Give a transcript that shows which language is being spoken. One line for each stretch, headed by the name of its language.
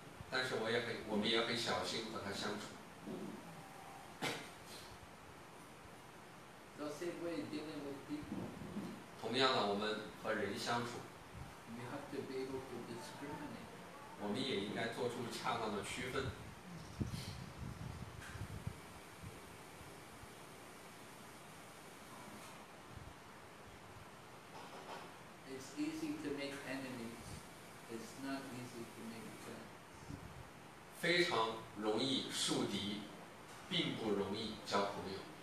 Chinese: 但是我们也很小心和他相处。
English: The same way dealing with people.
Chinese: 同样的，我们和人相处。
English: We have to be able to discriminate.
Chinese: 我们也应该做出恰当的区分。
English: It's easy to make enemies. It's not easy to make friends.
Chinese: 非常容易树敌，并不容易交朋友。